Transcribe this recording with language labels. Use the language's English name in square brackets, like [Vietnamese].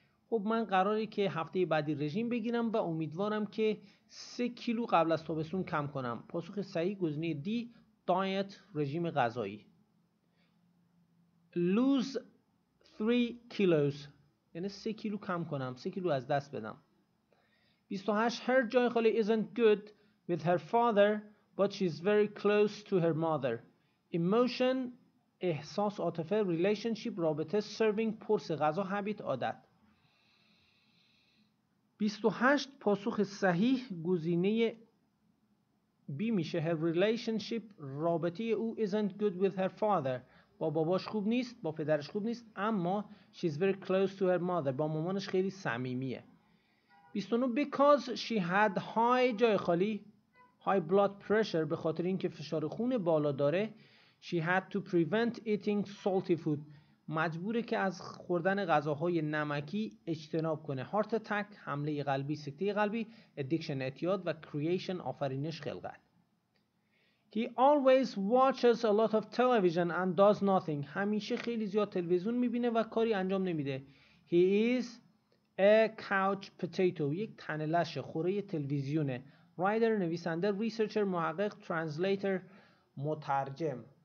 [Persian] خب من قراره که هفته بعدی رژیم بگیرم و امیدوارم که 3 کیلو قبل از تابستون کم کنم. پاسخ صحیح گزینه D diet رژیم غذایی. [English] Lose 3 kilos [Persian] یعنی 3 کیلو کم کنم، 3 کیلو از دست بدم. [English] 28 Her joy khali isn't good with her father but she's very close to her mother. [Persian] Emotion احساس عاطفه، relationship رابطه، serving پرس غذا، habit عادت. 28 پاسخ صحیح گزینه B میشه. [English] Her relationship [Persian] رابطه او [English] isn't good with her father. [Persian] با باباش خوب نیست، با پدرش خوب نیست، اما [English] she's very close to her mother، [Persian] با مامانش خیلی صمیمیه. 29 [English] because she had high [Persian] جای خالی [English] high blood pressure [Persian] به خاطر اینکه فشار خون بالا داره، [English] she had to prevent eating salty food، [Persian] مجبوره که از خوردن غذاهای نمکی اجتناب کنه. heart attack حمله قلبی، سکته قلبی، addiction اعتیاد و creation آفرینش خلقت. [English] He always watches a lot of television and does nothing. [Persian] همیشه خیلی زیاد تلویزیون میبینه و کاری انجام نمیده. [English] He is a couch potato. [Persian] یک تنه لشه، خوره تلویزیونه. Writer نویسنده، researcher محقق، translator مترجم.